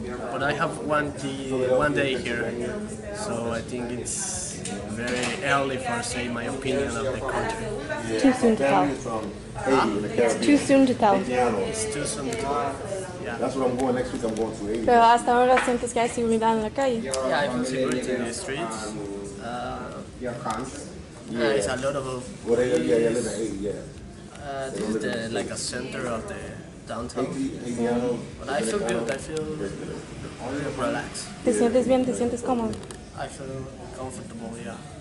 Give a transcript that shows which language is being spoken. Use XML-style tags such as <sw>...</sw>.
<en>But I have one day here, so I think it's very early for say my opinion of the country. Too soon to tell. It's too soon to tell. It's too soon to tell. That's what I'm going next week. I'm going to Haiti.</en> <es>Pero hasta ahora sientes que hay seguridad en la calle.</es> <en>Yeah, I feel security in the streets. Yeah, it's a lot of this is like a center of the downtown. But I feel good. I feel relaxed.</en> <es>¿Te sientes bien? ¿Te sientes cómodo?</es> <en>I feel comfortable, yeah.</en>